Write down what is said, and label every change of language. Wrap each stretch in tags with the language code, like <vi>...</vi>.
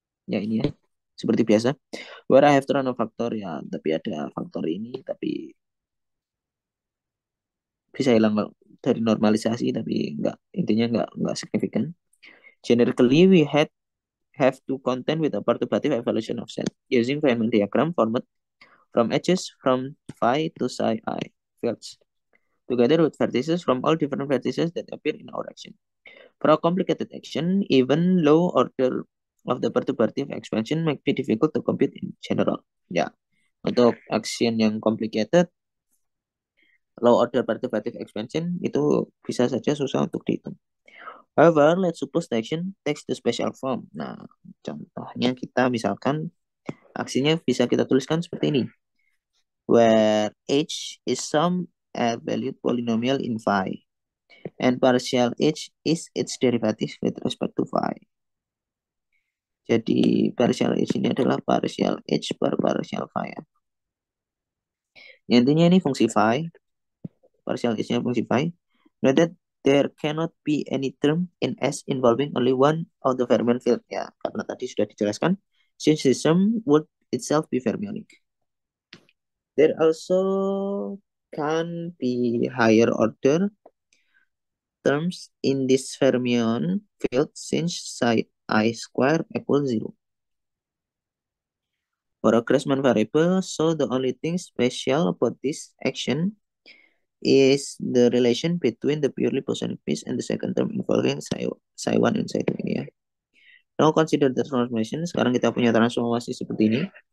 <id>Ya ini ya. Seperti biasa.</id> <en>Where I have to run a factor</en> <id>ya, tapi ada faktor ini tapi bisa hilang dari normalisasi tapi enggak, intinya enggak signifikan.</id> <en>Generically, we have to contend with a perturbative evaluation of set using Feynman diagram format from edges from phi to psi I fields together with vertices from all different vertices that appear in our action. For a complicated action, even low order of the perturbative expansion might be difficult to compute in general.</en> <id>Ya, untuk action yang complicated, low order perturbative expansion itu bisa saja susah untuk dihitung.</id> <en>However, let's suppose the action takes the special form.</en> <id>Nah, contohnya kita misalkan aksinya bisa kita tuliskan seperti ini.</id> <en>Where h is some R-valued polynomial in phi, and partial h is its derivative with respect to phi.</en> <id>Jadi, partial h ini adalah partial h per partial phi. Ya. Intinya ini fungsi phi, partial h-nya fungsi phi.</id> <en>Note that there cannot be any term in S involving only one of the fermion field.</en> <id>Ya, karena tadi sudah dijelaskan,</id> <en>since the sum would itself be fermionic. There also can be higher order terms in this fermion field since psi I square equals zero. For a Kressmann variable, so the only thing special about this action is the relation between the purely positive piece and the second term involving psi 1 and psi 2 ya. Now consider the transformation.</en> <id>Sekarang kita punya transformasi seperti ini.</id>